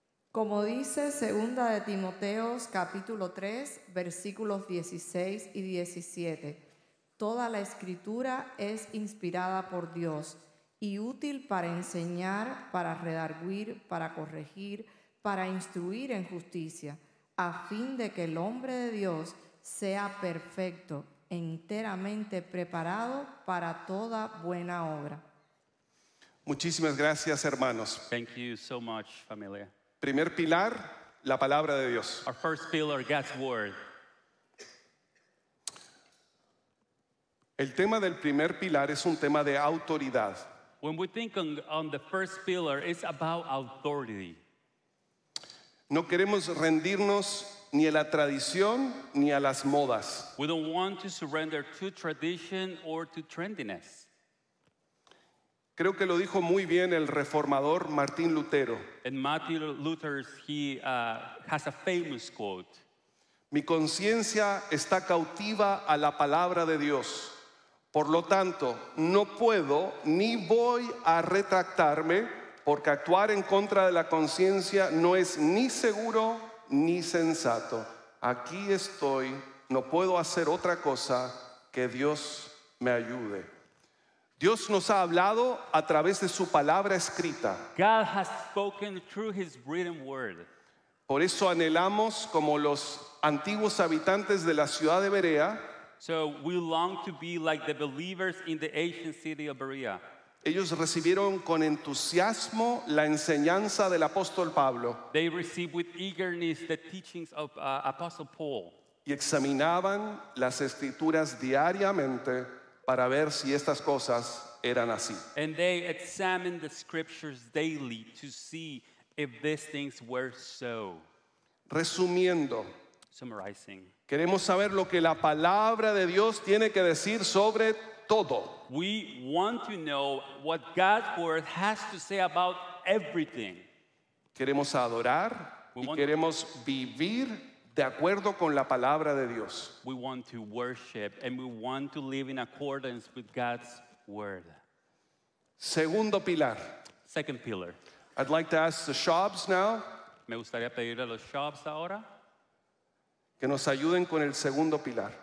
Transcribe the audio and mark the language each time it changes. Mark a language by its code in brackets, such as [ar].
[es] Como dice 2 de Timoteo capítulo 3, versículos 16 y 17, toda la escritura es inspirada por Dios y útil para enseñar, para redarguir, para corregir, para instruir en justicia, a fin de que el hombre de Dios sea perfecto, enteramente preparado para toda buena obra. Muchísimas gracias, hermanos. [en] Thank you so much, familia. [es] Primer pilar, la palabra de Dios. [en] Our first pillar, God's word. [es] El tema del primer pilar es un tema de autoridad. [en] When we think on the first pillar, it's about authority. [es] No queremos rendirnos ni a la tradición ni a las modas. [en] We don't want to surrender to tradition or to trendiness. [es] Creo que lo dijo muy bien el reformador Martín Lutero. [en] And Martin Luther, has a famous quote. [es] Mi conciencia está cautiva a la palabra de Dios. Por lo tanto, no puedo ni voy a retractarme porque actuar en contra de la conciencia no es ni seguro ni sensato. Aquí estoy, no puedo hacer otra cosa que Dios me ayude. Dios nos ha hablado a través de su palabra escrita. [en] God has spoken through his written word. [es] Por eso anhelamos como los antiguos habitantes de la ciudad de Berea. [en] So we long to be like the believers in the ancient city of Berea. [es] Ellos recibieron con entusiasmo la enseñanza del apóstol Pablo. [en] They received with eagerness the teachings of Apostle Paul. [es] Y examinaban las escrituras diariamente para ver si estas cosas eran así. [en] And they examined the scriptures daily to see if these things were so. [es] Resumiendo. [en] Summarizing. [es] Queremos saber lo que la palabra de Dios tiene que decir sobre todo. [en] We want to know what God's word has to say about everything. [es] Queremos adorar y queremos vivir de acuerdo con la palabra de Dios. [en] We want to worship and we want to live in accordance with God's word. [es] Segundo pilar. [en] Second pillar. I'd like to ask the Shobs now. [es] Me gustaría pedir a los Shobs ahora. Que nos ayuden con el segundo pilar.